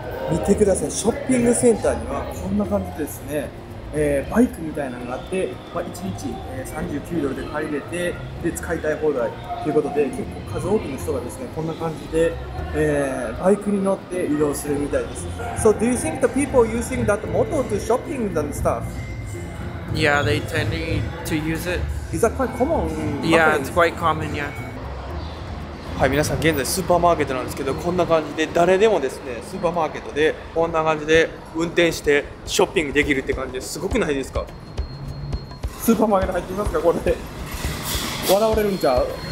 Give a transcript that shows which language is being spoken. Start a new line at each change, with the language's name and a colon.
Japanese: 見てください、ショッピングセンターにはこんな感じですね、バイクみたいなのがあって、まあ、1日39ドルで借りれてで使いたい放題ということで結構数多くの人がですねこんな感じで、バイクに乗って移動するみたいです。
English: So do you think the people using that motto to shopping than stuff? Yeah, they tend to use it Is that quite common? Yeah, it's quite common, yeah.
Japanese: はい、皆さん現在スーパーマーケットなんですけど、こんな感じで誰でもですね、スーパーマーケットでこんな感じで運転してショッピングできるって感じですごくないですか？スーパーマーケット入ってみますか、これで。笑われるんちゃう？